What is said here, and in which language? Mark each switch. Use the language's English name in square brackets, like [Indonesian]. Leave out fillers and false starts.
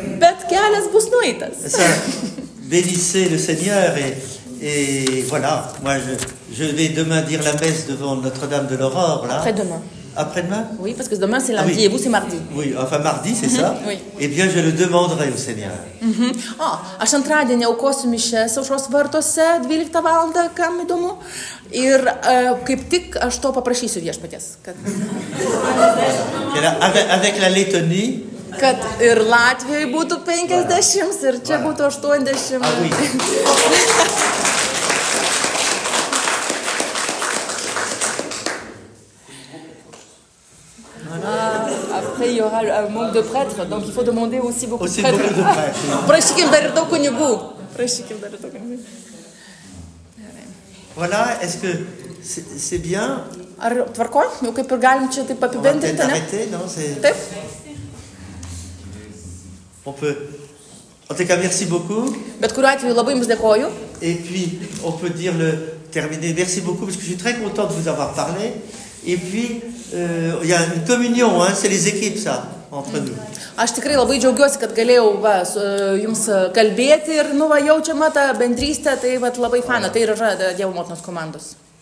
[Lithuanian] Bet kelias bus nuėtas. [French] Ça, bénissez le Seigneur et voilà. Moi, je vais demain dire la messe devant Notre-Dame de l'Aurore. Là. Après-demain. Après-demain ? Oui, parce que demain c'est lundi et vous c'est mardi. Oui, enfin mardi, c'est ça ? Oui. Eh bien, je le demanderai au Seigneur. [Lithuanian] Aš antradienį aukosiu mišes aušros vartuose 12 valandą, kam įdomu. Ir kaip tik aš to paprašysiu viešpaties. [French] Avec la Lettonie. [Lithuanian] Kad ir Latvijoje būtų 50 ir čia būtų 80. [French] Ah, oui. Après, il y aura un manque de prêtres, donc il faut demander aussi beaucoup aussi de prêtres. Aussi beaucoup de prêtres. [Lithuanian] Prêchikim dar ir daug kunigų. [French] Voilà, est-ce que c'est bien? [Lithuanian] Ar tvarko? Jau kaip ir galim čia taip apibendrinti, ne? [French] On va peut-être arrêter, non? [Lithuanian] Taip. [French] On peut... En tout cas, merci beaucoup. [Lithuanian] Bet kuriuo atveju labai jums dėkoju. [French] Et puis, on peut dire le terminé. Merci beaucoup, parce que je suis très content de vous avoir parlé. Et puis... Il y a une communion, hein, c'est les équipes, ça, entre nous. [Lithuanian] Aš tikrai labai džiaugiuosi, kad galėjau va, jums kalbėti ir nu, va, jaučiama tą bendrystę, tai va, labai faina, tai yra Dievo motinos komandos.